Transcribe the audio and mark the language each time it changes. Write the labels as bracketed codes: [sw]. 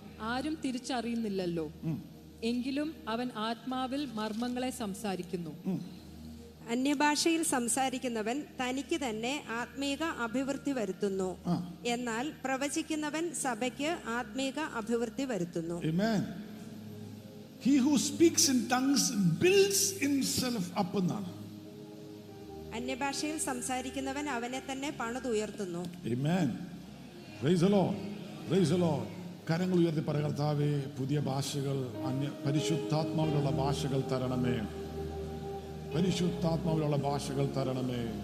[ml] ആരും തിരിച്ചറിയുന്നില്ലല്ലോ, എങ്കിലും അവൻ ആത്മാവിൽ മർമ്മങ്ങളെ സംസാരിക്കുന്നു. അന്യഭാഷയിൽ സംസാരിക്കുന്നവൻ തനിക്ക് തന്നെ ആത്മീക അഭിവൃദ്ധി വരുത്തുന്നു, എന്നാൽ പ്രവചിക്കുന്നവൻ സഭയ്ക്ക് ആത്മീക അഭിവൃദ്ധി വരുത്തുന്നു. [en] Amen. He who speaks in tongues builds himself up. [ml] അന്യഭാഷയിൽ സംസാരിക്കുന്നവൻ അവനെ തന്നെ പണിതുയർത്തുന്നു. [en] Amen. Praise the Lord. Praise the Lord. [ml] കരങ്ങൾ ഉയർത്തി പറകർത്താവേ, പുതിയ ഭാഷകൾ, അന്യ പരിശുദ്ധാത്മാവിലുള്ള ഭാഷകൾ തരണമേ, പരിശുദ്ധാത്മാവിലുള്ള ഭാഷകൾ തരണമേ.